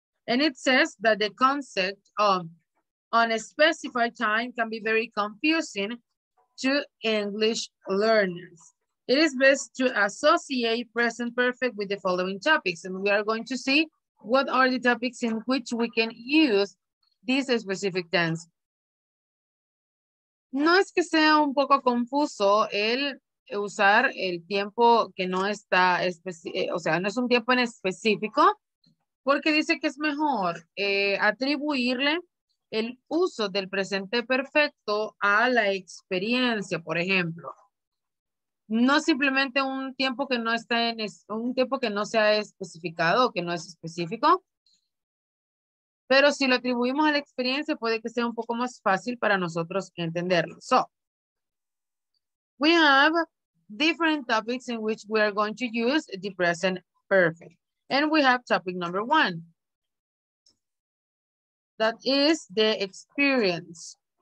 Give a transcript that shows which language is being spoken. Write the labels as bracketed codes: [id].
[en] And it says that the concept of unspecified time can be very confusing to English learners. It is best to associate present perfect with the following topics. And we are going to see what are the topics in which we can use this specific tense. [es] No es que sea un poco confuso el usar el tiempo que no está, o sea, no es un tiempo en específico, porque dice que es mejor atribuirle el uso del presente perfecto a la experiencia, por ejemplo. No simplemente un tiempo que no está en, un tiempo que no sea especificado, que no es específico, pero si lo atribuimos a la experiencia, puede que sea un poco más fácil para nosotros entenderlo. [en] So, we have different topics in which we are going to use the present perfect. And we have topic number one. That is the experience.